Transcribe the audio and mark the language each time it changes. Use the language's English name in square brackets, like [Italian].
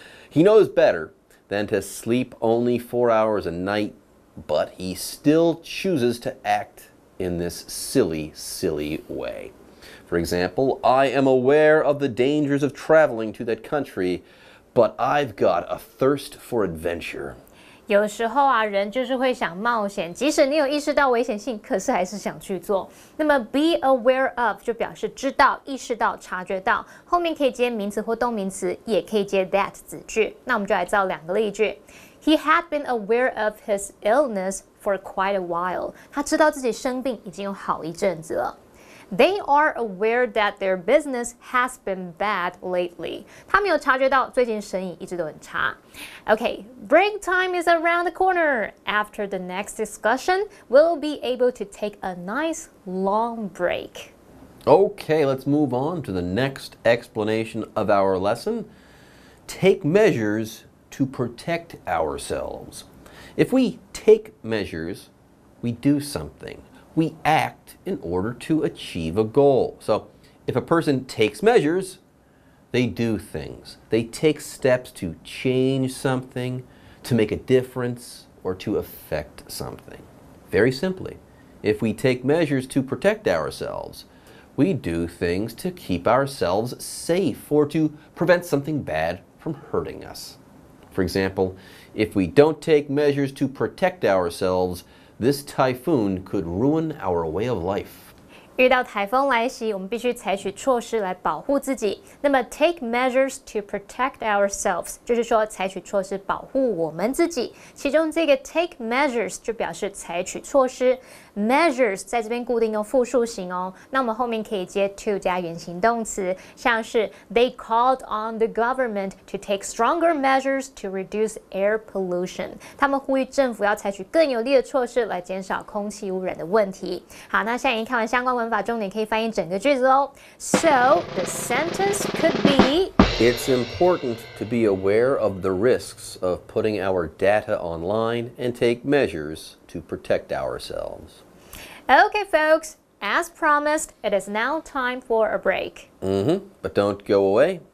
[English] He knows better than to sleep only 4 hours a night, but he still chooses to act in this silly, silly way. For example, I am aware of the dangers of traveling to that country,But I've got a thirst for adventure. [Chinese] 有时候啊，人就是会想冒险，即使你有意识到危险性，可是还是想去做。那么 [English] be aware of [Chinese] 就表示知道、意识到、察觉到，后面可以接名词或动名词，也可以接 that 子句。那我们就来造两个例句。 [English] He had been aware of his illness for quite a while. [Chinese] 他知道自己生病已经有好一阵子了。 [English] They are aware that their business has been bad lately. [Chinese] 他们有察觉到最近生意一直都很差。 [English] Okay, break time is around the corner. After the next discussion, we'll be able to take a nice long break. Okay, let's move on to the next explanation of our lesson. Take measures to protect ourselves. If we take measures, we do something. We act in order to achieve a goal. So, if a person takes measures, they do things. They take steps to change something, to make a difference, or to affect something. Very simply, if we take measures to protect ourselves, we do things to keep ourselves safe or to prevent something bad from hurting us. For example, if we don't take measures to protect ourselves,This typhoon could ruin our way of life. [Chinese] 遇到台风来袭，我们必须采取措施来保护自己。那么 [English] take measures to protect ourselves [Chinese] 就是说采取措施保护我们自己。其中这个 [English] take measures [Chinese] 就表示采取措施。 [English] Measures [Chinese] 在这边固定用复数型哦，那我们后面可以接 [English] to [Chinese] 加原形动词，像是 [English] They called on the government to take stronger measures to reduce air pollution. [Chinese] 他们呼吁政府要采取更有力的措施来减少空气污染的问题。好，那现在已经看完相关文法，重点可以翻译整个句子哦。 [English] So the sentence could be: It's important to be aware of the risks of putting our data online and take measures. To protect ourselves. Okay, folks, as promised, it is now time for a break. Mm-hmm. But don't go away.